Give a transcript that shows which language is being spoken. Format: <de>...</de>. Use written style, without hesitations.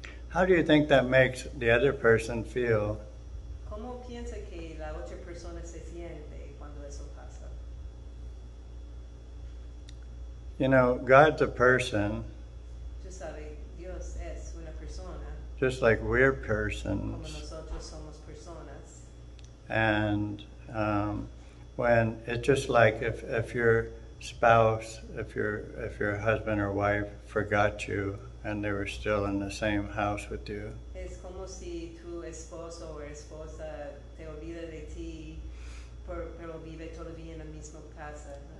<en>How do you think that makes the other person feel?</en> <es>¿Cómo piensa que la otra persona se siente cuando eso pasa?</es> <en>You know, God's a person.</en> <es>Tú sabes, Dios es una persona.</es> <en>Just like we're persons.</en> <es>Como nosotros somos personas.</es> <en>And when it's just like if your spouse, if your husband or wife forgot you and they were still in the same house with you.</en> <es>Es como si tu esposo o esposa te olvida de ti, pero vive todavía en la misma casa.</es>